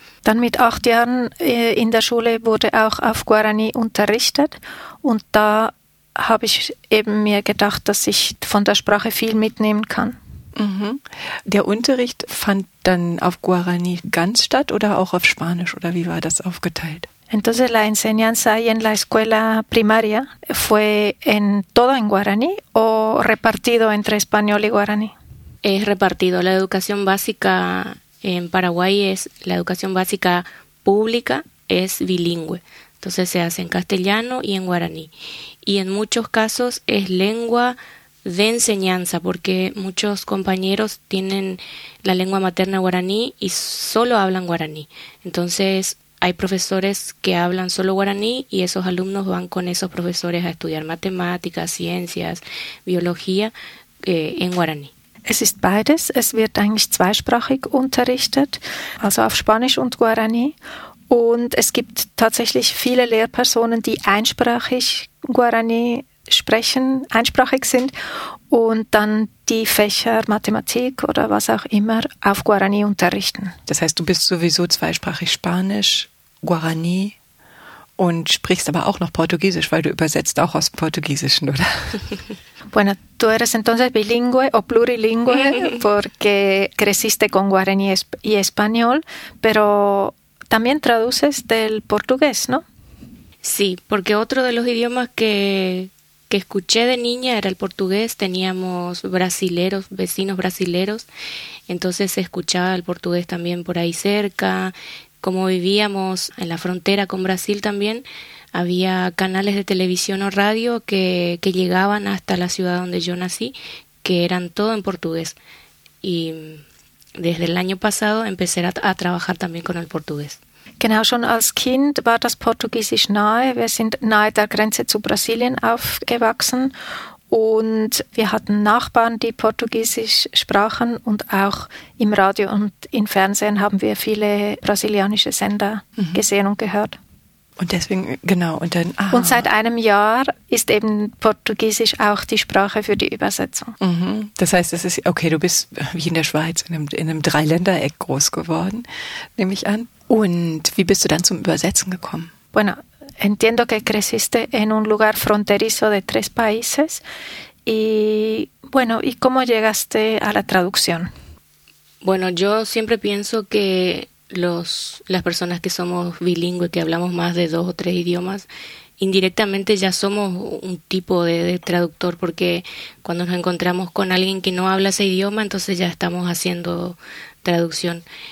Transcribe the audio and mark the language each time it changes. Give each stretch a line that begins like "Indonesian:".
German: Dann mit 8 Jahren in der Schule wurde auch auf Guarani unterrichtet und da habe ich eben mir gedacht, dass ich von der Sprache viel mitnehmen kann. Der Unterricht fand dann auf Guarani ganz statt oder auch auf Spanisch oder wie war das aufgeteilt?
Spanish: Entonces la enseñanza ahí en la escuela primaria fue en todo en Guarani o repartido entre español y Guarani? Es repartido. La educación básica en Paraguay es la educación básica pública es bilingüe. Entonces se hace en castellano y en guaraní. Y en muchos casos es lengua de enseñanza, porque muchos compañeros tienen la lengua materna guaraní y solo hablan guaraní. Entonces hay profesores que hablan solo guaraní y esos alumnos van con esos profesores a estudiar matemáticas, ciencias, biología en guaraní.
German: Es ist beides. Es wird eigentlich zweisprachig unterrichtet, also auf Spanisch und Guarani. Und es gibt tatsächlich viele Lehrpersonen, die einsprachig Guarani sprechen, einsprachig sind und dann die Fächer Mathematik oder was auch immer auf Guarani unterrichten. Das heißt, du bist sowieso zweisprachig Spanisch, Guarani und sprichst aber auch noch Portugiesisch, weil du übersetzt auch aus Portugiesischen, oder?
Spanish: Bueno, tú eres entonces bilingüe o plurilingüe porque creciste con Guarani y Español, pero también traduces del portugués, ¿no? Sí, porque otro de los idiomas que escuché de niña era el portugués. Teníamos brasileros, vecinos brasileros, entonces se escuchaba el portugués también por ahí cerca. Como vivíamos en la frontera con Brasil también, había canales de televisión o radio que llegaban hasta la ciudad donde yo nací, que eran todo en portugués. Y desde el año pasado empecé a trabajar también con el portugués.
German: Genau, schon als Kind war das Portugiesisch nahe. Wir sind nahe der Grenze zu Brasilien aufgewachsen und wir hatten Nachbarn, die Portugiesisch sprachen und auch im Radio und im Fernsehen haben wir viele brasilianische Sender gesehen und gehört. Und deswegen, genau, und dann. Aha. Und seit einem Jahr ist eben Portugiesisch auch die Sprache für die Übersetzung. Das heißt, es ist, okay, du bist wie in der Schweiz in einem Dreiländereck groß geworden, nehme ich an. Und wie bist du dann zum Übersetzen gekommen?
Spanish: Bueno, entiendo que creciste en un lugar fronterizo de tres países. Y bueno, ¿y cómo llegaste a la traducción? Bueno, yo siempre pienso que las personas que somos bilingües, que hablamos más de dos o tres idiomas, indirectamente ya somos un tipo de traductor, porque cuando nos encontramos con alguien que no habla ese idioma, entonces ya estamos haciendo traducción.